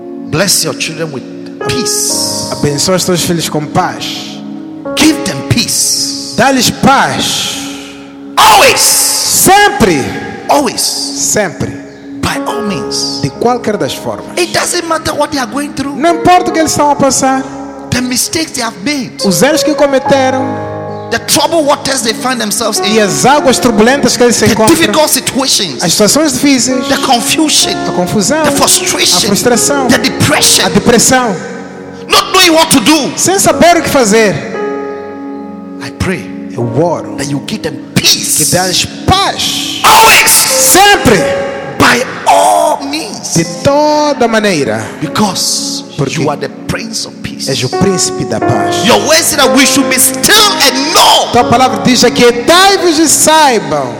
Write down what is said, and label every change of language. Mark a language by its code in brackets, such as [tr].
[en] Bless your children with peace. [pt] Abençoa os teus filhos com paz. [en] Give them peace. [pt] Dá-lhes paz. [en] Always. [pt] Sempre. [en] Always. [pt] Sempre. [en] By all means. [pt] De qualquer das formas. [en] It doesn't matter what they are going through. [pt] Não importa o que eles estão a passar. [en] The mistakes they have made. [pt] Os erros que cometeram. [en] The troubled waters they find themselves in. [pt] E as águas turbulentas que eles se encontram. [en] The difficult situations. [pt] As situações difíceis. [en] The confusion. [pt] A confusão. [en] The frustration. [pt] A frustração. [en] The depression. [pt] A depressão. [en] Not knowing what to do. [pt] Sem saber o que fazer. [en] I pray. [pt] Eu oro. [en] That you give them peace. [pt] Que dás paz. [en] Always. [pt] Sempre. [en] By all means. [pt] De toda maneira. [en] Because [pt] porque [en] you are the Prince of Peace. [pt] És o Príncipe da Paz. [en] Your word said that we should be still and know. [pt] Tua palavra diz aqui, dai-vos e saibam.